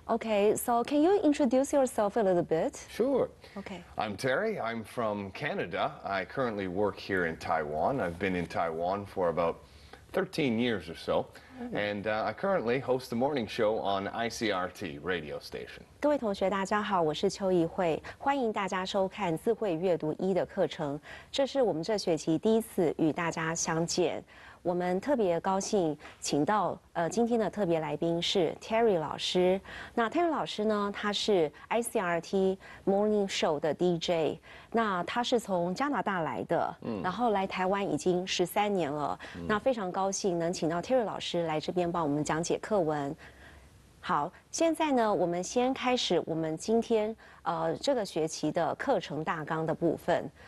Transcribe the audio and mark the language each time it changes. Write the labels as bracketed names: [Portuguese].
[English] Okay, so can you introduce yourself a little bit? Sure. Okay. I'm Terry. I'm from Canada. I currently work here in Taiwan. I've been in Taiwan for about 13 years or so. And I currently host the morning show on ICRT radio station. [Chinese] 各位同学大家好，我是邱怡慧，欢迎大家收看字彙閱讀一的课程。这是我们这学期第一次与大家相见。我们特别高兴请到今天的特别来宾是 Terry 老师。那 Terry 老师呢，他是 ICRT Morning Show 的 DJ。那他是从加拿大来的，然后来台湾已经13年了。那非常高兴能请到 Terry 老师来这边帮我们讲解课文。好，现在呢，我们先开始我们今天这个学期的课程大纲的部分。